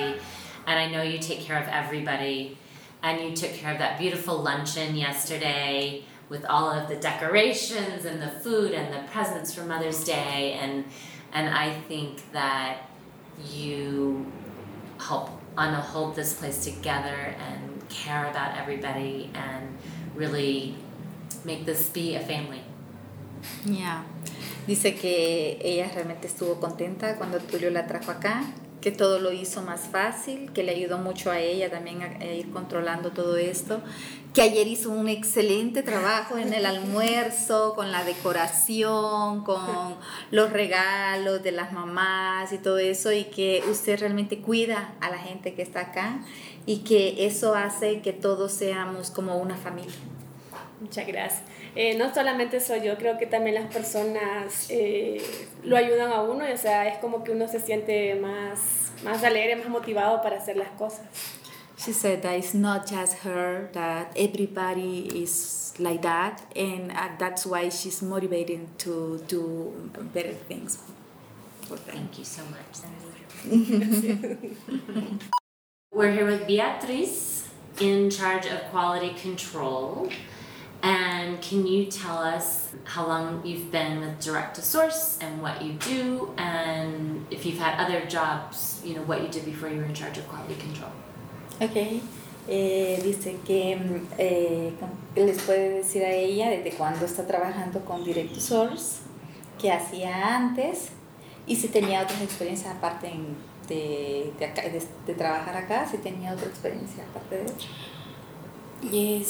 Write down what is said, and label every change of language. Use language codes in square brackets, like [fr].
[en] And I know you take care of everybody. And you took care of that beautiful luncheon yesterday with all of the decorations and the food and the presents for Mother's Day. And I think that you help on to hold this place together and care about everybody and really make this be a family. Yeah. [es] Dice que ella realmente estuvo contenta cuando Tulio la trajo acá, que todo lo hizo más fácil, que le ayudó mucho a ella también a ir controlando todo esto, que ayer hizo un excelente trabajo en el almuerzo, con la decoración, con los regalos de las mamás y todo eso, y que usted realmente cuida a la gente que está acá y que eso hace que todos seamos como una familia. Muchas gracias. No solamente soy yo, creo que también las personas lo ayudan a uno, o sea, es como que uno se siente más alegre, más motivado para hacer las cosas. [en] She said that it's not just her, that everybody is like that, and that's why she's motivated to do better things. Thank you so much. We're here with Beatriz, in charge of quality control. And can you tell us how long you've been with Direct to Source and what you do, and if you've had other jobs, you know, what you did before you were in charge of quality control? Okay. [es] Dice que les puede decir a ella desde cuándo está trabajando con Direct to Source, qué hacía antes, y si tenía otras experiencias aparte de trabajar acá, si tenía otra experiencia aparte de eso.